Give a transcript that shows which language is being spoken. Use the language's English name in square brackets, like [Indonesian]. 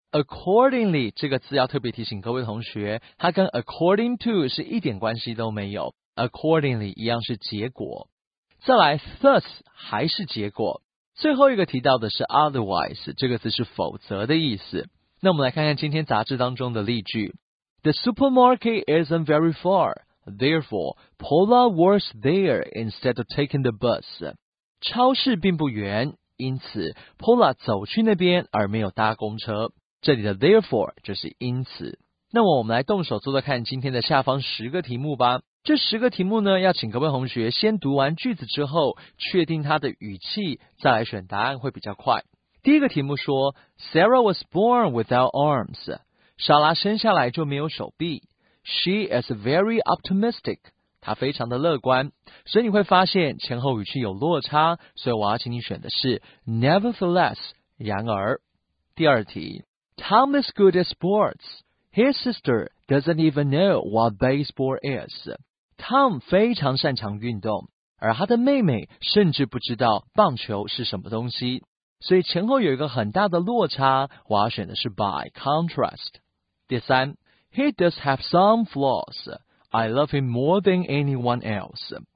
[Chinese] accordingly 这个字要特别提醒各位同学，它跟 according to 是一点关系都没有， accordingly 一样是结果。再来 thus 还是结果。最后一个提到的是 otherwise， 这个字是否则的意思。那我们来看看今天杂志当中的例句。 [English] The supermarket isn't very far, therefore Paula works there instead of taking the bus. [Chinese] 超市并不远，因此 Paula 走去那边而没有搭公车。这里的 therefore 就是因此。那么我们来动手做做看今天的下方十个题目吧。这十个题目呢，要请各位同学先读完句子之后，确定它的语气，再来选答案会比较快。第一个题目说 ， [English] Sarah was born without arms. [Chinese] 莎拉生下来就没有手臂。 [English] She is very optimistic. [Chinese] 她非常的乐观。所以你会发现前后语气有落差，所以我要请你选的是 nevertheless, 然而。第二题 [English] ,Tom is good at sports. His sister doesn't even know what baseball is. [Chinese] Tom 非常擅长运动，而他的妹妹甚至不知道棒球是什么东西。所以前后有一个很大的落差，我要选的是 by contrast。第三， [English] He does have some flaws. I love him more than anyone else.